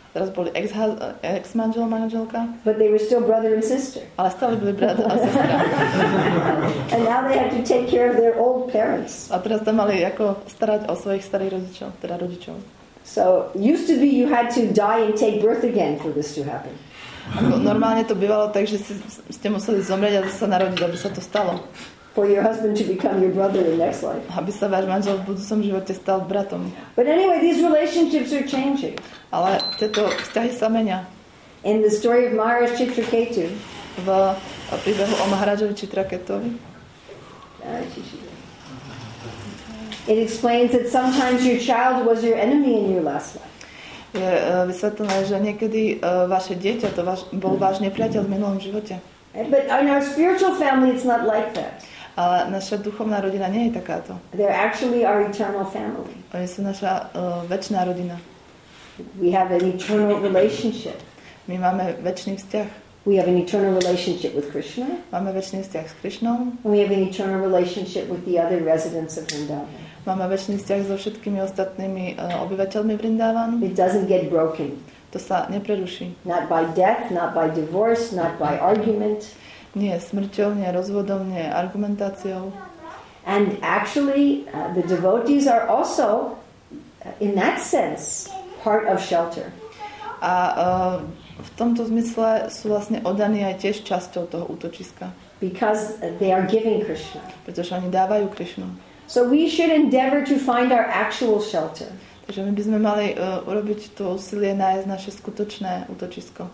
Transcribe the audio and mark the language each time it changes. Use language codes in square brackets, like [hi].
[sk] Teraz boli ex-manžel, manželka. [en] But they were still brother and sister. [sk] Ale stále boli brata a sestra. [en] And now they had to take care of their old parents. [sk] A teraz tam mali ako starať o svojich starých rodičov, teda rodičov. [en] So, used to be you had to die and take birth again for this to happen. [sk] Ako, normálne to bývalo tak, že ste museli zomrieť a sa narodiť, aby sa to stalo. [en] For your husband to become your brother in next life. [sk] Aby sa váš manžel v budúcom živote stal bratom. [en] But anyway, these relationships are changing. [sk] Ale tieto vzťahy sa menia. [en] In the story of Maharaj Chitraketu. [sk] V príbehu o Maharajovi Chitraketovi. [en] It explains that sometimes your child was your enemy in your last life. [sk] Je vysvetlené, že niekedy vaše dieťa to bol váš nepriateľ v minulom živote. [en] But in our spiritual family it's not like that. [sk] Ale naša duchovná rodina nie je takáto. [en] They're actually our eternal family. [sk] Oni sú naša večná rodina. [en] We have an eternal relationship. [sk] My máme večný vzťah. [en] We have an eternal relationship with Krishna. [sk] Máme večný vzťah s Krishnom. [en] We have an eternal relationship with the other residents of Vrindavan. [sk] Máme večný vzťah so všetkými ostatnými obyvateľmi Vrindavanu. [en] It doesn't get broken. [sk] To sa nepreruší. [en] Not by death, not by divorce, not by argument. [sk] Nie smrťou, nie rozvodom, nie argumentáciou. [en] And actually, the devotees are also, in that sense, part of shelter. [sk] A v tomto zmysle sú vlastne oddaní aj tiež časťou toho útočiska. [en] Because they are giving Krishna. [sk] Pretože oni dávajú Krishnu. [en] So we should endeavor to find our actual shelter. [sk] Takže my by sme mali urobiť to úsilie nájsť naše skutočné útočisko.